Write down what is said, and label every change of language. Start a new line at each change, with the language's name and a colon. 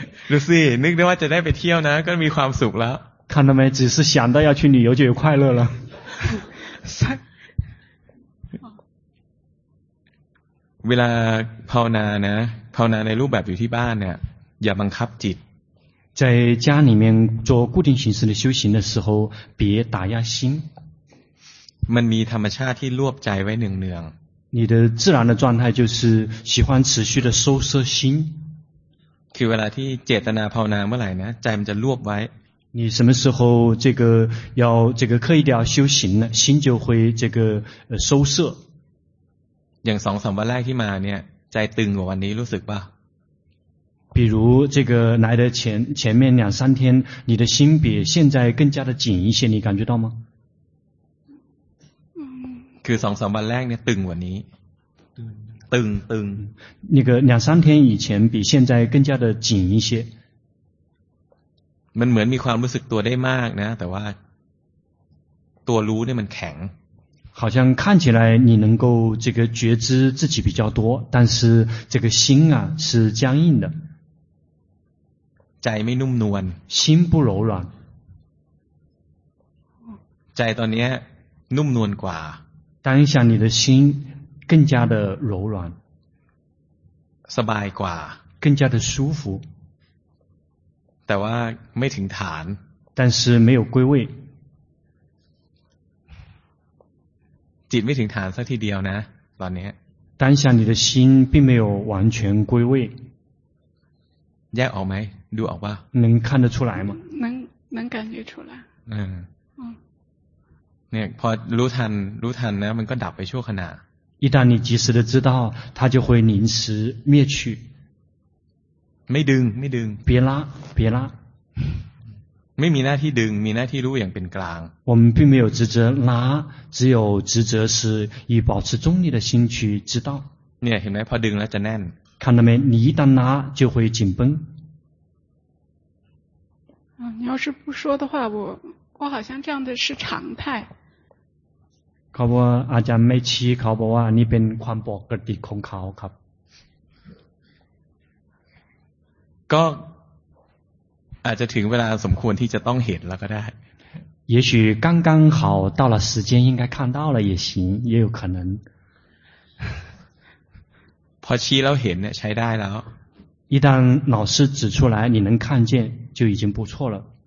Thai: ลูซี่นึกได้ว่าจะได้ไปเที่ยวนะก็มีความสุขแล้ว
Chinese: 看到没？只是想到要去旅游就有快乐了。
Thai: เวลาภาวนานะภาวนาในรูปแบบอยู่ที่บ้านเนี่ยอย่าบังคับจิต
Chinese: 在家里面做固定形式的修行的时候别打压心
Thai: มันมีธรรมชาติที่รวบใจไว้เนือง
Chinese: ๆ你的自然的状态就是喜欢持续的收摄心
Thai: คือเวลาที่เจตนาภาวนาเมื่อไหร่นะใจมันจะรวบไว้
Chinese: 你什么时候这个要这个刻意的要修行呢心就会这个收摄
Thai: อย่าง 2-3 วันแรกที่มาเนี่ยใจตึงกว่าวันนี้รู้สึกป่ะ
Chinese: 比如这个来的前面两三天你的心比现在更加的紧一些你感觉到吗
Thai: คือ 2-3 วันแรกเนี่ยตึงกว่านี้ตึง
Chinese: 那个两三天以前比现在更加的紧一些
Thai: มันเหมือนมีความรู้สึกตัวได้มากนะแต่ว่าตัวรู้เนี่ยมันแข็ง
Chinese: 好像看起来你能够这个觉知自己比较多，但是这个心啊是僵硬的。在没那么软，心不柔软。在到你那么软寡，当下你的心更加的柔软，
Thai: สบาย寡，
Chinese: 更加的舒服。
Thai: แต่ว่าไม่ถึงฐาน，
Chinese: 但是没有归位。
Thai: จิตไม่ถึงฐานสักทีเดียวนะตอนนี้
Chinese: 当下你的心并没有完全归位
Thai: แยกออกไหมดูออกป่ะ
Chinese: 能看得出来吗能感觉出来
Thai: เนี่ยพอรู้ทันนะมันก็ดับไปชั่วขณะ
Chinese: 一旦你及时的知道它就会临时灭去
Thai: ไม่ดึง
Chinese: 别拉
Thai: ไม่มีหน้าที่ดึงมีหน้าที่รู้อย่างเป็นกลาง
Chinese: 我们并没有职责拉只有职责是以保持中立的心去知道
Thai: เนี่ยเห็นไหมพอดึงแล้วจะแน่น
Chinese: 看到没你一旦拉就会紧绷你要是不说的话我好像这样的是常态
Thai: ครับว่าอาจารย์ไม่ชี้ครับว่านี่เป็นความปกติของเขาครับ ก็อาจจะถึงเวลาสมควรที่จะต้องเห็นแล้วก็ได้
Chinese: 也许刚刚好到了时间应该看到了也行也有可能
Thai: พอชี้แล้วเห็นเนี่ยใช้ได้แล้ว
Chinese: 一旦老师指出来你能看见就已经不错了